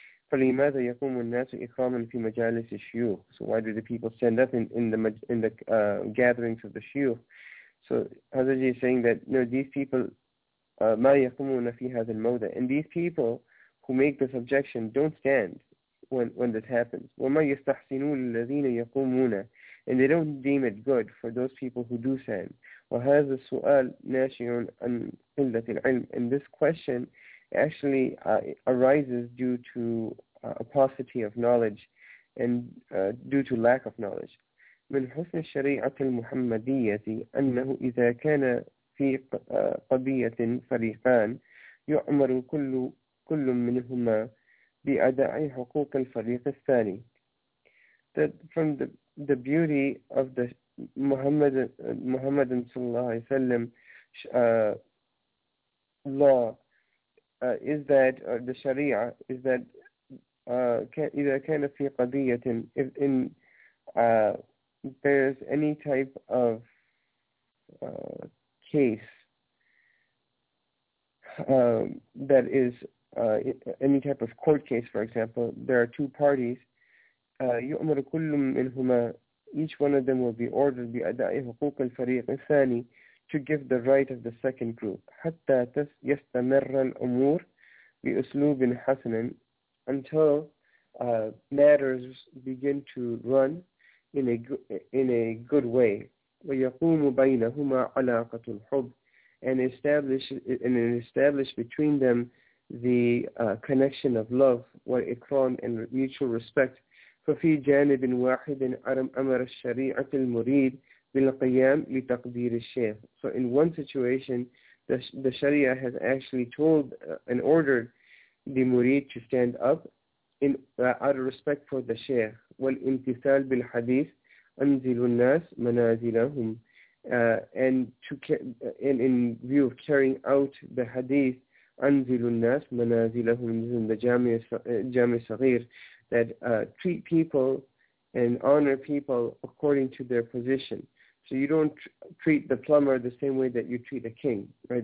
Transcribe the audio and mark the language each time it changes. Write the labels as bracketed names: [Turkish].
[Arabic] فلماذا يقوم الناس إكراما في مجالس الشيوخ؟ [English] So why do the people stand up in the gatherings of the shiuch? So Hazrat is saying that no, these people [Arabic] ما يقومون في هذا الموضع. [English] And these people who make this objection don't stand when this happens. [Arabic] وما يستحسنون الذين يقومون. [English] And they don't deem it good for those people who do stand. [Arabic] وهذا السؤال ناشئ عن قلة العلم. [English] And this question actually arises due to paucity of knowledge and due to lack of knowledge. [Arabic] من حسن الشريعة المحمدية أنه إذا كان في قضية فريقان يعمر كل منهما بأداء حقوق الفريق الثاني. [English] That from the beauty of the Muhammadan [Arabic] صلى الله عليه وسلم [English] law is that the Sharia is that [Arabic] إذا كان في قضية [English] if in there's any type of case that is any type of court case, for example, there are two parties. [Arabic] يؤمر كل منهما, [English] each one of them will be ordered [Arabic] بأداء حقوق الفريق الثاني [English] to give the right of the second group. [Arabic] حتى يستمر الأمور بأسلوب حسن [English] until matters begin to run in a good way. [Arabic] ويقوم بينهما علاقة الحب [English] and establish between them the connection of love [Arabic] والإكرام [English] and mutual respect. [Arabic] ففي جانب واحد أمر الشريعة المريد بالقيام لتقدير الشيخ. [English] So in one situation, the Sharia has actually told and ordered the murid to stand up in out of respect for the Sheikh. [Arabic] والامتثال بالحديث أنزل الناس منازلهم. [English] And in view of carrying out the hadith, [Arabic] أنزل الناس منازلهم, [English] in the Jami Saghir, that treat people and honor people according to their position. So you don't treat the plumber the same way that you treat a king, right?